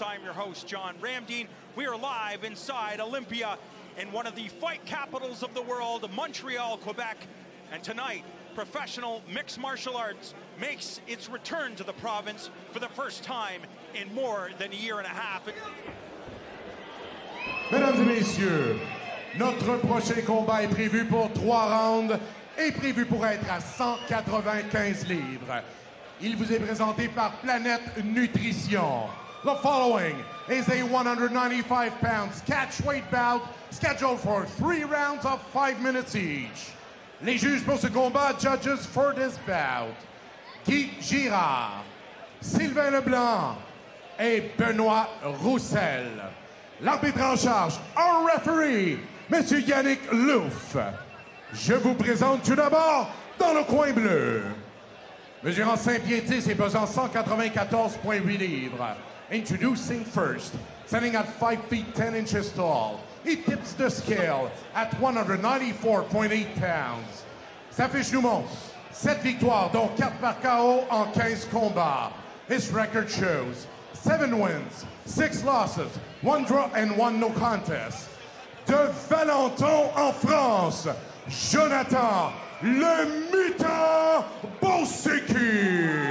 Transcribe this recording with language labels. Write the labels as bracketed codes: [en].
[en] I'm your host, John Ramdean. We are live inside Olympia in one of the fight capitals of the world, Montreal, Quebec. And tonight, professional mixed martial arts makes its return to the province for the first time in more than a year and a half. [fr] Mesdames et messieurs, notre prochain combat est prévu pour trois rounds et prévu pour être à 195 livres. Il vous est présenté par Planète Nutrition. [en] The following is a 195 pounds catchweight bout scheduled for three rounds of 5 minutes each. [fr] Les juges pour ce combat, [en] judges for this bout, [fr] Guy Girard, Sylvain Leblanc et Benoît Roussel. L'arbitre en charge, [en] our referee, [fr] Monsieur Yannick Louf. Je vous présente tout d'abord dans le coin bleu. Mesurant 5 pieds 10 et pesant 194,8 livres. [en] Introducing first, standing at 5 feet 10 inches tall. He tips the scale at 194.8 pounds. [fr] Sa fiche nous montre 7 victoires, dont 4 par KO en 15 combats. [en] His record shows 7 wins, 6 losses, 1 draw and 1 no contest. [fr] De Valenton en France, Jonathan le mutant Bosuku.